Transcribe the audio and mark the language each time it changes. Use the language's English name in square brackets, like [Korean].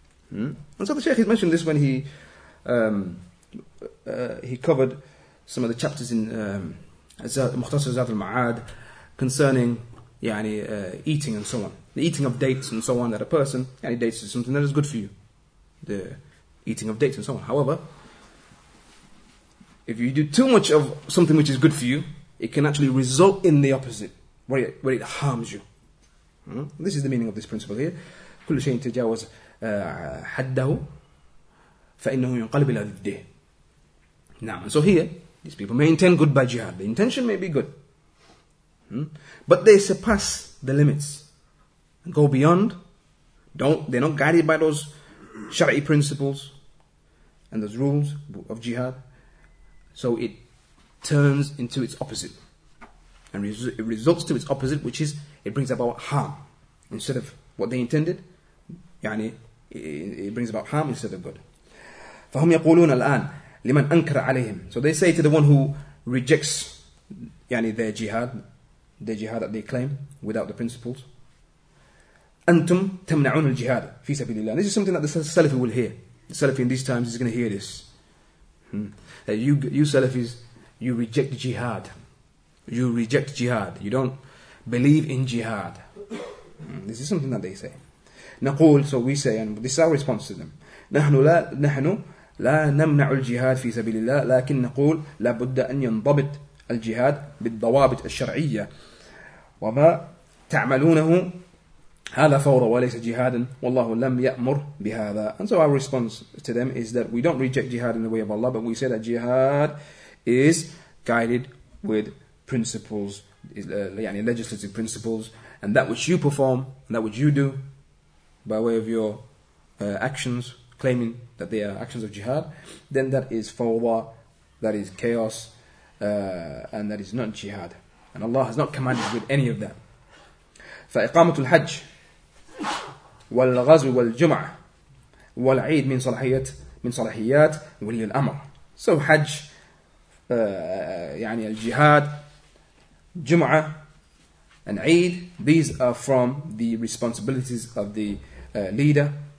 [English] And so the Shaykh has mentioned this when he covered some of the chapters in مختصر ذات المعاد concerning eating and so on, the eating of dates and so on, that a person dates is something that is good for you, the eating of dates and so on. However, if you do too much of something which is good for you, it can actually result in the opposite, where it harms you. This is the meaning of this principle here. [Arabic] كل شيء تجاوز حده فإنه ينقلب إلى ضده. [English] Now, so here these people may intend good by jihad. The intention may be good. But they surpass the limits. And go beyond. They're not guided by those shari'i principles and those rules of jihad. So it turns into its opposite. And it results to its opposite, which is it brings about harm instead of what they intended. It brings about harm instead of good. [Arabic] فَهُمْ يَقُولُونَ الْآنَ لمن أنكر عليهم. [English] So they say to the one who rejects يعني their jihad that they claim without the principles. [Arabic] أنتم تمنعون الجهاد في سبيل الله. [English] This is something that the Salafi will hear. The Salafi in these times is going to hear this. You Salafis, you reject jihad. You reject jihad. You don't believe in jihad. This is something that they say. [Arabic] نقول, [English] so we say, and this is our response to them. [Arabic] نحن لا نمنع الجهاد في سبيل الله, لكن نقول لابد أن ينضبط الجهاد بالضوابط الشرعية. وما تعملونه هذا فورا وليس جهادا والله لم يأمر بهذا. [English] And so our response to them is that we don't reject jihad in the way of Allah, but we say that jihad is guided with principles, يعني legislative principles, and that which you perform, and that which you do by way of your actions, claiming that they are actions of jihad, then that is fawwa, that is chaos, and that is not jihad. And Allah has not commanded with any of that. [Arabic] فإقامة الحج والغزو والجمعة والعيد من صلاحيات ولي الأمر. [English] So حج, يعني الجهاد, جمعة, and عيد, these are from the responsibilities of the leader.